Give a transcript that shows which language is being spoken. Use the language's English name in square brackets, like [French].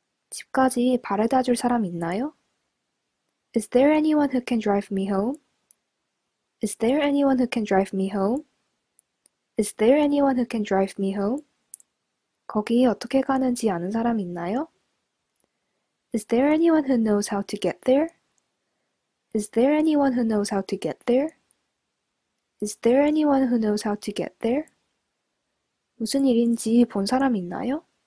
[Korean] 집까지 바래다 줄 사람 있나요? [English] Is there anyone who can drive me home? Is there anyone who can drive me home? Is there anyone who can drive me home? [Korean] 거기 어떻게 가는지 아는 사람 있나요? [English] Is there anyone who knows how to get there? Is there anyone who knows how to get there? Is there anyone who knows how to get there? [Korean] 무슨 일인지 본 사람 있나요?